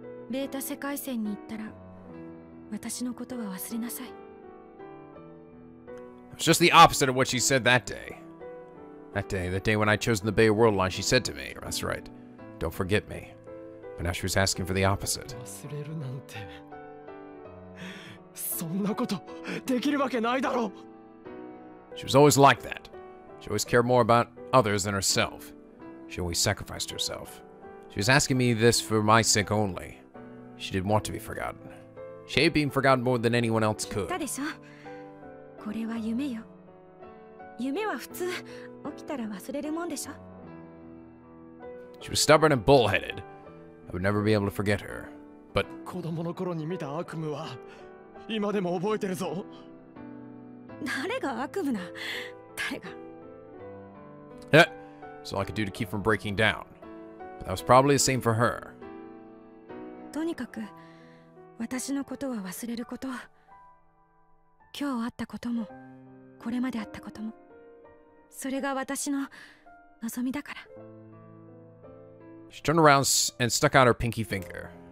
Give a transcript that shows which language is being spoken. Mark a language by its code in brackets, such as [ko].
[ja] Beta 世界線に行ったら、私のことは忘れなさい。 [en] It's just the opposite of what she said that day. That day, the day when I chose the Bay World Line, she said to me, that's right, don't forget me. But now she was asking for the opposite. [ja] 忘れるなんて…そんなことできるわけないだろう。 [en] She was always like that. She always cared more about others than herself. She always sacrificed herself. She was asking me this for my sake only. She didn't want to be forgotten. She hated being forgotten more than anyone else could. [ja] これは夢よ。夢は普通、起きたら忘れるもんでしょ。 [en] She was stubborn and bullheaded. I would never be able to forget her. But [ja] 子供の頃に見た悪夢は今でも覚えてるぞ。誰が悪夢な、誰が。 [en] That's all I could do to keep from breaking down. But that was probably the same for her. [ja] とにかく、私のことは忘れること。今日会ったことも、これまで会ったことも、それが私の望みだから。 [en] She turned around and stuck out her pinky finger.